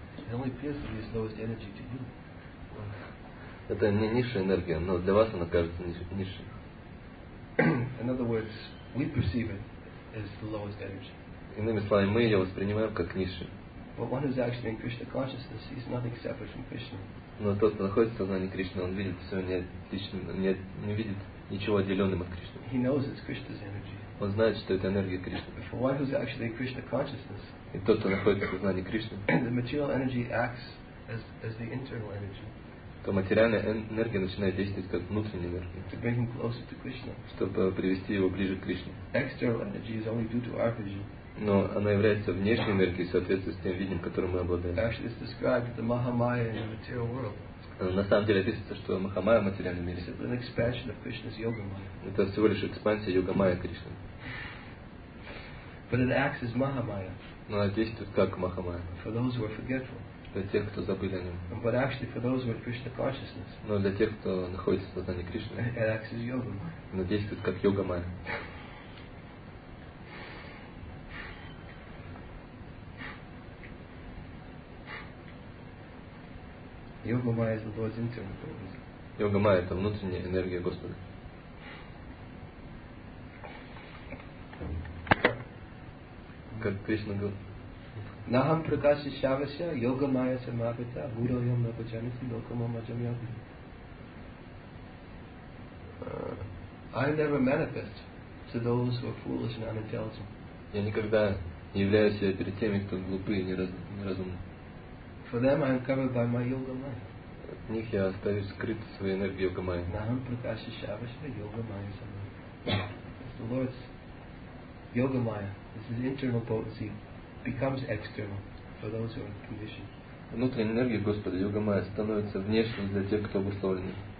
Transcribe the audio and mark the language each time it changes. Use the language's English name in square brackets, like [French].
[English] It only appears to be his lowest energy to you. [Russian] Это не низшая энергия, но для вас она кажется низшей. [English] In other words, we perceive it as the lowest energy. [Russian] Иными словами, мы ее воспринимаем как низшую. [English] But one who's actually in Krishna consciousness, he's nothing separate from Krishna. [Russian] Но тот, кто находится в сознании Кришны, он видит все не видит ничего отделенным от Кришны. [English] He knows it's Krishna's energy. [Russian] Он знает, что это энергия Кришны. [English] For one who's actually in Krishna consciousness. [Russian] И тот, кто находится в сознании Кришны. [English] The material energy acts as the internal energy. [Russian] То материальная энергия начинает действовать как внутренняя энергия. [English] To bring him closer to Krishna. [Russian] Чтобы привести его ближе к Кришне. [English] External energy is only due to our vision. [Russian] Но она является внешней энергией в соответствии с тем видением, которым мы обладаем. [English] Actually, it's described as the Mahamaya in the material world. [Russian] На самом деле описывается, что Махамая в материальном мире. [English] It's an expansion of Krishna's yoga maya. [Russian] Это всего лишь экспансия йога майя Кришны. [English] But it acts as Mahamaya. [Russian] Но она действует как Махамая. [English] For those who are forgetful. [Russian] Для тех, кто забыли о нем. [English] But actually for those who are Krishna consciousness. [Russian] Но для тех, кто находится в сознании Кришны. [English] It acts as yoga maya. [Russian] Она действует как йога майя. [English] Yoga maya is the Lord's internal energy. [Russian] Yoga maya — это внутренняя энергия Господа. как Кришна говорит. [Sanskrit] Нахам пракаши шаваша, йога майя самапита, гуруйам напачанити, локама маджамьяпи. [English] I never manifest to those who are foolish and unintelligent. [Russian] Я никогда не являюсь я перед теми, кто глупый и неразумный. [English] For them I am covered by my yoga maya. [Russian] От них я остаюсь скрыт своей энергией йога майя. [Sanskrit] Нахам пракаши шаваша, йога майя самапита. [English] The Lord's yoga maya, this is internal potency, becomes external for those who are conditioned. [Russian] Внутренняя энергия Господа йога майя становится внешней для тех, кто обусловлен.